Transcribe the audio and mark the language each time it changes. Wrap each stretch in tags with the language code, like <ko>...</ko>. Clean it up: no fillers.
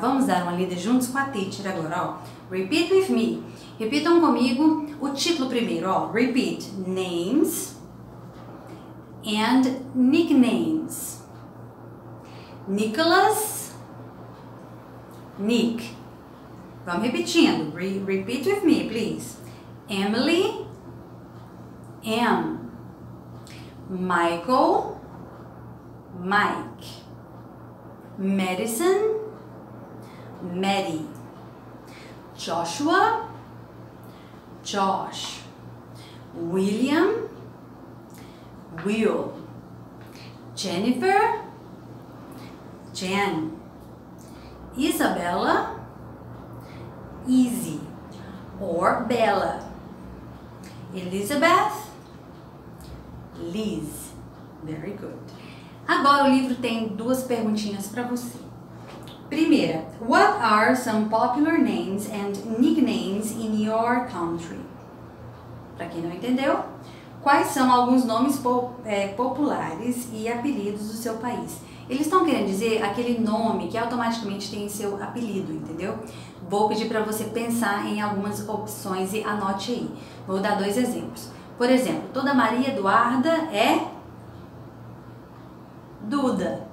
<pt>Vamos dar uma lida juntos com a teacher agora, ó.</pt> <en>Repeat with me.</en> <pt>Repitam comigo o título primeiro, ó.</pt> <en>Repeat. Names and nicknames. Nicholas, Nick.</en> <pt>Vamos repetindo.</pt> <en>Repeat with me, please. Emily. M. Michael. Mike. Madison. Maddie. Joshua. Josh. William. Will. Jennifer. Jen. Isabella. Easy or Bella. Elizabeth. Liz. Very good.</en> <pt>Agora o livro tem duas perguntinhas para você. Primeira,</pt> <en>what are some popular names and nicknames in your country?</en> <pt>Para quem não entendeu, quais são alguns nomes populares e apelidos do seu país? Eles estão querendo dizer aquele nome que automaticamente tem seu apelido, entendeu? Vou pedir para você pensar em algumas opções e anote aí. Vou dar dois exemplos. Por exemplo, toda Maria Eduarda é Duda.</pt>